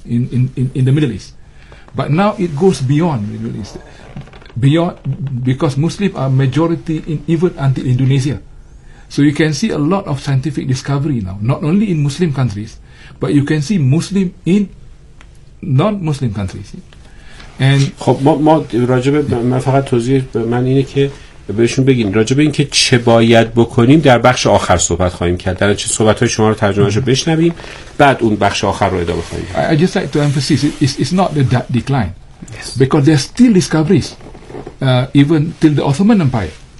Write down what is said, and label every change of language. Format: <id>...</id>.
<en>in the Middle East. But now it goes beyond the Middle East, beyond, because Muslims are majority in even until Indonesia. So you can see a lot of scientific discovery now, not only in Muslim countries, but you can see Muslim in non-Muslim countries. And</en> <fa>خب ما راجب من فقط توضیح من اینه که بهشون بگین راجب این که چه باید بکنیم در بخش آخر صحبت خواهیم کرد. در چه صحبت‌های شما رو ترجمه‌اش رو بشنویم بعد اون بخش آخر رو ادامه خواهیم.</fa> <en>I just like to emphasize it's not the decline. Yes. Because there are still discoveries even till the Ottoman Empire.</en>